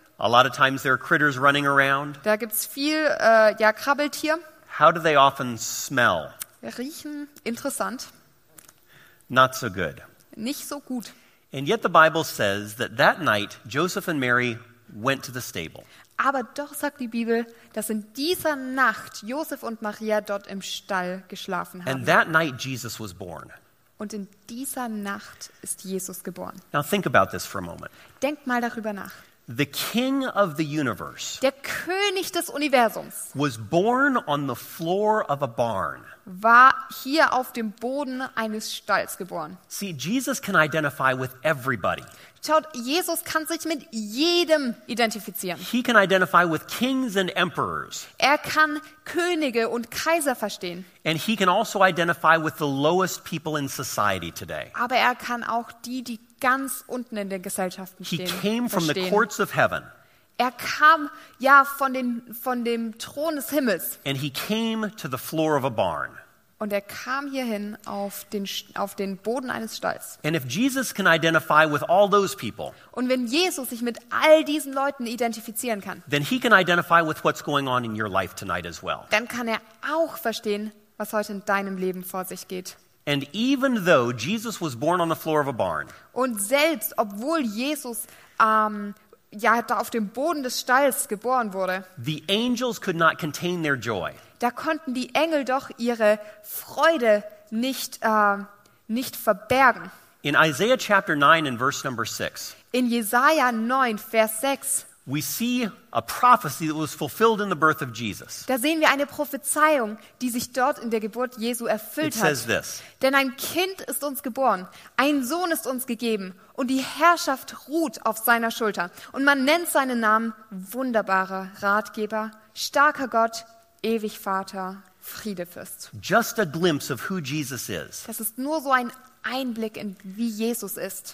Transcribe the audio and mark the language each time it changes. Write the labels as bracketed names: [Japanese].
[English] A lot of times there are critters running around. [German] Da gibt's viel Krabbeltier. [English] How do they often smell? [German] Riechen interessant. [English] Not so good. [German] Nicht so gut. [English] And yet the Bible says that that night Joseph and Mary went to the stable. [German] Aber doch sagt die Bibel, dass in dieser Nacht Josef und Maria dort im Stall geschlafen haben. [English] And that night Jesus was born. [German] Und in dieser Nacht ist Jesus geboren. [English] Now think about this for a moment. [German] Denkt mal darüber nach. [English] The king of the universe, [German] der König des Universums, [English] was born on the floor of a barn, [German] war hier auf dem Boden eines Stalls geboren. [English] See, Jesus can identify with everybody. [German] Schaut, Jesus kann sich mit jedem identifizieren. [English] He can identify with kings and emperors. [German] Er kann Könige und Kaiser verstehen. [English] And he can also identify with the lowest people in society today. [German] Aber er kann auch die ganz unten in den Gesellschaften stehen. [English] He came from the courts of heaven. [German] Er kam ja von dem Thron des Himmels. [English] And he came to the floor of a barn. [German] Und er kam hierhin auf den Boden eines Stalls. [English] And if Jesus can identify with all those people, [German] und wenn Jesus sich mit all diesen Leuten identifizieren kann, [English] then he can identify with what's going on in your life tonight as well. [German] Dann kann er auch verstehen, was heute in deinem Leben vor sich geht. [English] And even though Jesus was born on the floor of a barn, [German] und selbst obwohl Jesus da auf dem Boden des Stalls geboren wurde, [English] the angels could not contain their joy. [German] Da konnten die Engel doch ihre Freude nicht verbergen. [English] In Isaiah chapter 9 and verse number 6. [German] In Jesaja 9 Vers 6. [English] We see a prophecy that was fulfilled in the birth of Jesus. [German] Da sehen wir eine Prophezeiung, die sich dort in der Geburt Jesu erfüllt hat. [English] It says this. [German] Denn ein Kind ist uns geboren, ein Sohn ist uns gegeben und die Herrschaft ruht auf seiner Schulter und man nennt seinen Namen wunderbarer Ratgeber, starker Gott, ewig Vater, Friedefürst. [English] Just a glimpse of who Jesus is. [German] Das ist nur so ein Einblick in wie Jesus ist.